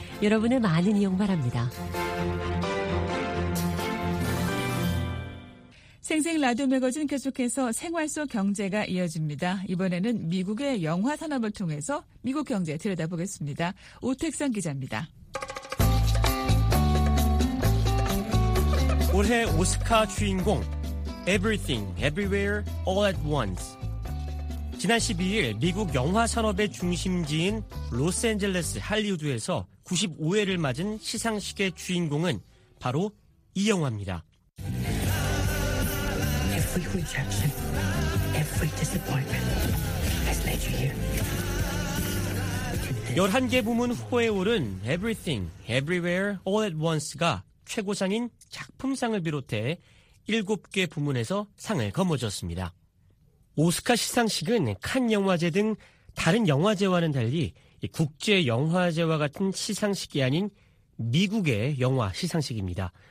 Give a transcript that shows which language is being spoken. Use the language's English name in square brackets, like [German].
[Korean] 여러분의 많은 이용 바랍니다. 생생 라디오 매거진 계속해서 생활 속 경제가 이어집니다. 이번에는 미국의 영화 산업을 통해서 미국 경제 들여다보겠습니다. 오택선 기자입니다. 올해 오스카 주인공 Everything, Everywhere, All at Once. 지난 12일 미국 영화 산업의 중심지인 로스앤젤레스 할리우드에서 95회를 맞은 시상식의 주인공은 바로 이 영화입니다. [English] Every rejection, every disappointment has led you here. [Korean] 11개 부문 후보에 오른 Everything, Everywhere, All at Once가 최고상인 작품상을 비롯해 7개 부문에서 상을 거머쥐었습니다. 오스카 시상식은 칸 영화제 등 다른 영화제와는 달리 국제 영화제와 같은 시상식이 아닌 미국의 영화 시상식입니다.